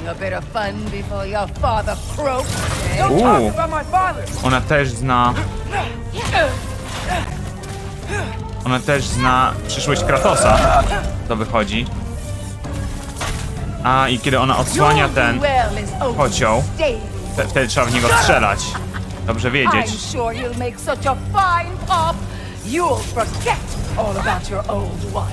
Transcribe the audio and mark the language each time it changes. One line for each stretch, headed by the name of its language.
English: having a bit of fun before your father croaks. Don't talk about my father.
Polish: Ona też zna. Ona też zna przyszłość Kratosa. To wychodzi. A i kiedy ona odsłania ten kocioł, wtedy trzeba w niego strzelać. Dobrze wiedzieć.
English: I'm sure you'll make such a fine pop. You'll forget all about your old one.